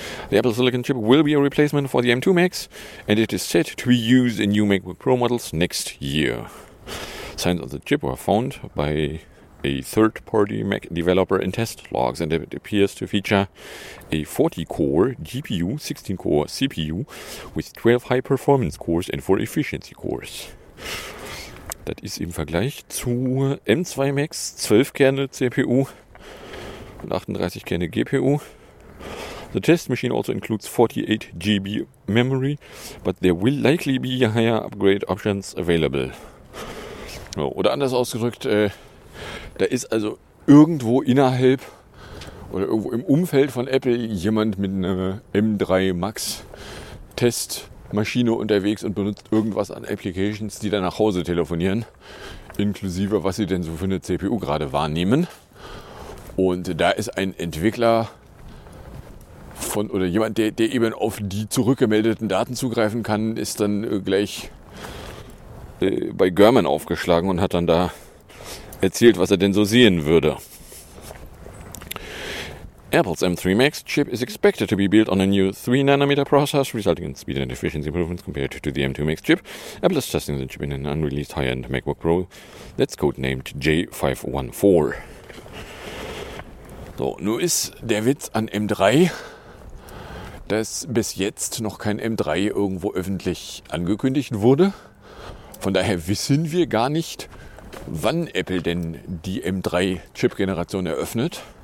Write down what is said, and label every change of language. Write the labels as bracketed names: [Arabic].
[English] The Apple Silicon Chip will be a replacement for the M2 Max, and it is set to be used in new MacBook Pro models next year. Signs of the chip were found by a third-party Mac developer in test logs, and it appears to feature a 40-core GPU, 16-core CPU, with 12 high-performance cores and 4 efficiency cores. [German] Das ist im Vergleich zu M2 Max, 12 Kerne CPU und 38 Kerne GPU. [English] The test machine also includes 48 GB memory, but there will likely be higher upgrade options available. [German] Oder anders ausgedrückt, da ist also irgendwo innerhalb oder irgendwo im Umfeld von Apple jemand mit einer M3 Max Testmaschine unterwegs und benutzt irgendwas an Applications, die dann nach Hause telefonieren, inklusive was sie denn so für eine CPU gerade wahrnehmen. Und da ist ein Entwickler von oder jemand, der eben auf die zurückgemeldeten Daten zugreifen kann, ist dann gleich bei Gurman aufgeschlagen und hat dann da erzählt, was er denn so sehen würde. [English] Apple's M3 Max chip is expected to be built on a new 3-nanometer process, resulting in speed and efficiency improvements compared to the M2 Max chip. Apple is testing the chip in an unreleased high-end MacBook Pro that's codenamed J514. [German] So, nun ist der Witz an M3, dass bis jetzt noch kein M3 irgendwo öffentlich angekündigt wurde. Von daher wissen wir gar nicht, wann Apple denn die M3-Chip-Generation eröffnet.